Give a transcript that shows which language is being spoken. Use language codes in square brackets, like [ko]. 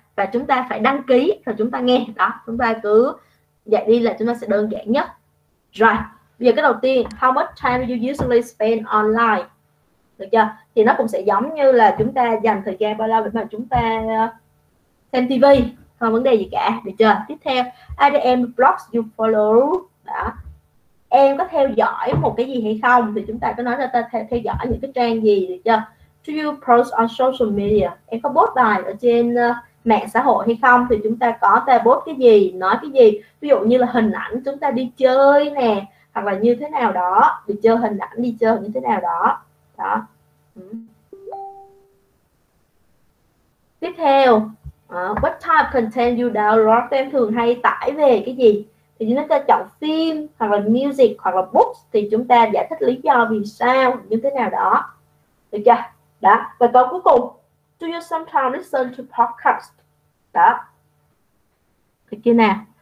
[vi] Và chúng ta phải đăng ký và chúng ta nghe đó. Chúng ta cứ dạy đi là chúng ta sẽ đơn giản nhất. Rồi, bây giờ cái đầu tiên, [en] how much time do you usually spend online? [vi] Được chưa? Thì nó cũng sẽ giống như là chúng ta dành thời gian bao lâu để mà chúng ta xem TV, không vấn đề gì cả, được chưa? Tiếp theo, [en] are there any blogs you follow? [vi] Đó. Em có theo dõi một cái gì hay không? Thì chúng ta có nói ra ta theo dõi những cái trang gì, được chưa? [en] Do you post on social media? [vi] Em có post bài ở trên mạng xã hội hay không? Thì chúng ta có ta post cái gì, nói cái gì? Ví dụ như là hình ảnh chúng ta đi chơi nè, hoặc là như thế nào đó, đi chơi hình ảnh đi chơi như thế nào đó. Đó. Tiếp theo, [en] what type of content you download? [vi] Em thường hay tải về cái gì? Thì chúng ta chọn phim hoặc là music hoặc là books thì chúng ta giải thích lý do vì sao như thế nào đó. Được chưa? Đó. Và câu cuối cùng, [en] do you sometimes listen to podcast? [vi] Đó. Được chưa nào?